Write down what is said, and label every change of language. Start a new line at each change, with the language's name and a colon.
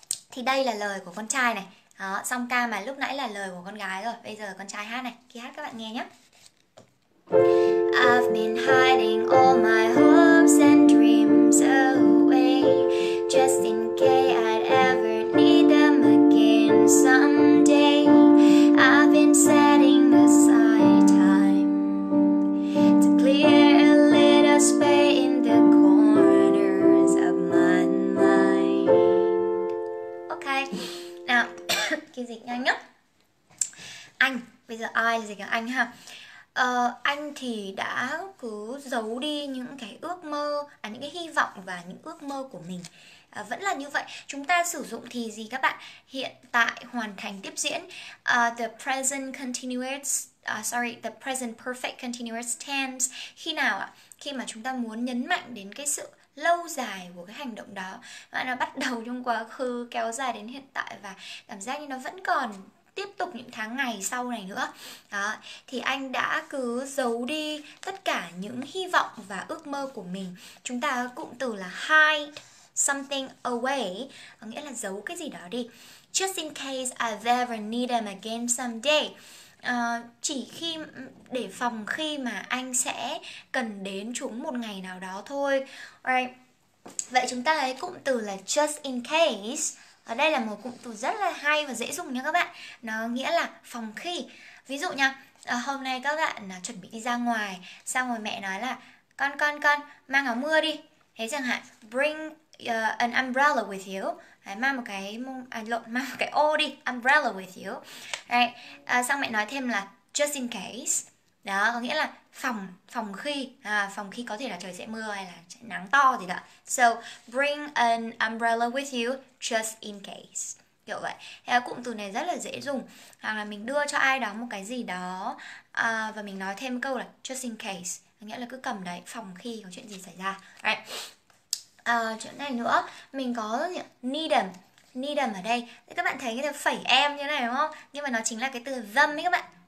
Vietnamese: Thì đây là lời của con trai này. Đó, song ca mà lúc nãy là lời của con gái rồi. Bây giờ con trai hát này. Khi hát các bạn nghe nhé.
English: I've been hiding all my hopes and dreams away, just in case I'd ever need them again someday. I've been setting aside time to clear space in the corners of my mind.
Vietnamese: Ok, nào, cái dịch nhanh nhất. Anh, bây giờ ai là dịch anh ha. Anh thì đã cứ giấu đi những cái ước mơ, à những cái hy vọng và những ước mơ của mình. Vẫn là như vậy, chúng ta sử dụng thì gì các bạn? Hiện tại hoàn thành tiếp diễn.
English: The present continuous. The present perfect continuous tense.
Vietnamese: Khi nào ạ? Khi mà chúng ta muốn nhấn mạnh đến cái sự lâu dài của cái hành động đó. Bạn nó bắt đầu trong quá khứ, kéo dài đến hiện tại và cảm giác như nó vẫn còn tiếp tục những tháng ngày sau này nữa. Đó. Thì anh đã cứ giấu đi tất cả những hy vọng và ước mơ của mình. Chúng ta cụm từ là
English: hide something away,
Vietnamese: có nghĩa là giấu cái gì đó đi.
English: Just in case I've ever need them again someday.
Vietnamese: Chỉ khi để phòng khi mà anh sẽ cần đến chúng một ngày nào đó thôi.
English: Alright.
Vietnamese: Vậy chúng ta lấy cụm từ là
English: just in case.
Vietnamese: Ở đây là một cụm từ rất là hay và dễ dùng nha các bạn. Nó nghĩa là phòng khi. Ví dụ nha, hôm nay các bạn chuẩn bị đi ra ngoài, xong rồi mẹ nói là con mang áo mưa đi. Thế chẳng hạn,
English: bring an umbrella with you.
Vietnamese: Đấy, mang một cái ô đi,
English: umbrella with you.
Vietnamese: Đấy, xong mẹ nói thêm là
English: just in case.
Vietnamese: Đó, có nghĩa là phòng khi có thể là trời sẽ mưa hay là nắng to gì đó.
English: So, bring an umbrella with you just in case.
Vietnamese: Kiểu vậy. Thế cụm từ này rất là dễ dùng. Hoặc là mình đưa cho ai đó một cái gì đó và mình nói thêm câu là
English: just in case.
Vietnamese: nghĩa là cứ cầm đấy phòng khi có chuyện gì xảy ra.
English: Right.
Vietnamese: Chỗ này nữa mình có
English: need them
Vietnamese: ở đây. Thì các bạn thấy cái từ phẩy em như này đúng không? Nhưng mà nó chính là cái từ them ấy các bạn.